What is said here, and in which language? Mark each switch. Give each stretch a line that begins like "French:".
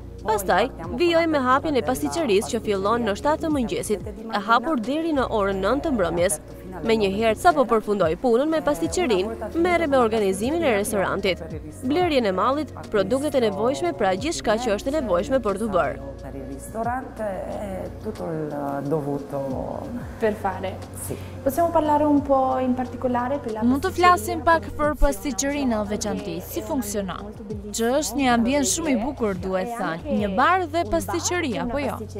Albanian: Pastaj, vijojmë me hapjen e pasiqërisë që fillon në 7 të mëngjesit, e hapur deri në orën 9 të mbrëmjes. Me një herë, sapo përfundoj punën me pasiqërinë, merrem me organizimin e restorantit, blerjen e mallit, produktet e nevojshme, pra gjithçka që është e nevojshme për të bërë.
Italian: Ristorante è tutto il dovuto per fare. Sì. Possiamo parlare un po' in particolare per la
Albanian: Mund të flasim pak për pasticcerinë veçantë, si funksionon? Që është një ambient shumë i bukur, duhet thënë, një bar dhe pasticceri apo jo?